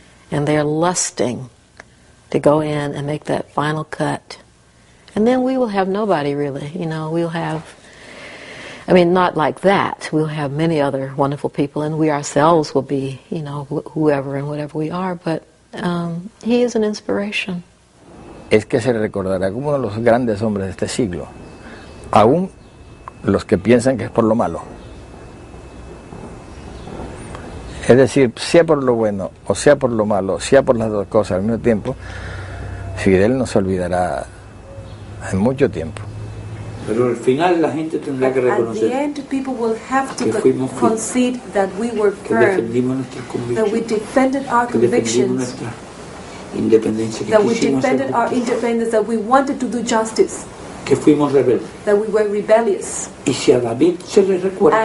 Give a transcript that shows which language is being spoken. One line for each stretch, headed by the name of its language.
English: And they're lusting to go in and make that final cut. And then we will have nobody, really. You know, we'll have, I mean, not like that. We'll have many other wonderful people, and we ourselves will be, you know, whoever and whatever we are. But he is an inspiration.
Spanish: Es que se recordará como uno de los grandes hombres de este siglo. Aún los que piensan que es por lo malo. Es decir, sea por lo bueno o sea por lo malo, sea por las dos cosas al mismo tiempo, Fidel no se olvidará en mucho tiempo. Pero al final la gente tendrá que reconocer
English: at the end, people will have to concede that we were firm,
Spanish: que defendimos nuestras convicciones,
English: that we defended our convictions,
Spanish: independencia,
English: que that we defended our independence, that we wanted to do justice,
Spanish: que fuimos rebeldes,
English: that we were rebellious.
Spanish: Y si a David se le recuerda,